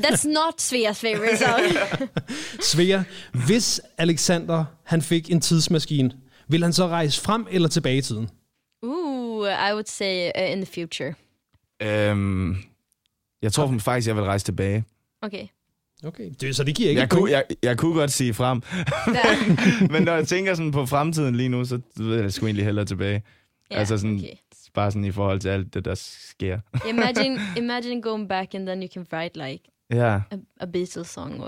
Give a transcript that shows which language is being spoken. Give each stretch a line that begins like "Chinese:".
English: That's not Sveas favorite song.
Danish: Svea, hvis Alexander han fik en tidsmaskine, vil han så rejse frem eller tilbage i tiden?
English: I would say in the future.
Danish: Jeg tror faktisk, jeg vil rejse tilbage.
English: Okay.
Danish: Okay, så det giver ikke... Jeg kunne godt sige frem, men når jeg tænker sådan på fremtiden lige nu, så ved jeg sgu egentlig hellere tilbage. Yeah, altså sådan,
English: okay.
Danish: Bare sådan i forhold til alt det, der sker.
English: imagine going back and then you can write like a Beatles song.